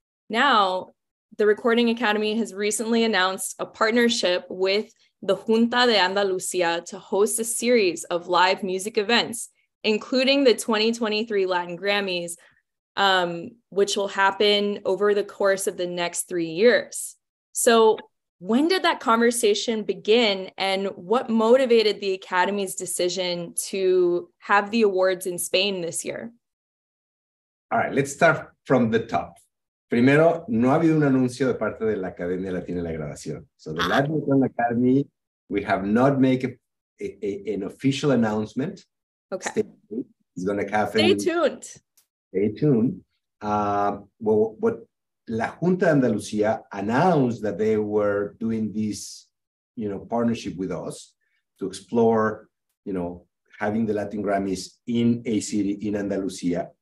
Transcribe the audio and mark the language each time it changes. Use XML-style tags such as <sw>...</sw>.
<en>Now, the Recording Academy has recently announced a partnership with the Junta de Andalucía to host a series of live music events, including the 2023 Latin Grammys, which will happen over the course of the next 3 years. So when did that conversation begin and what motivated the Academy's decision to have the awards in Spain this year? All right, let's start from the top.</en> <es>Primero, no ha habido un anuncio de parte de la Academia Latina de la Grabación.</es> <en>So the Latin Recording Academy, we have not made an official announcement. Okay. Stay tuned. What La Junta de Andalucía announced that they were doing this, you know, partnership with us to explore, you know, having the Latin Grammys in a city in Andalucía.</en>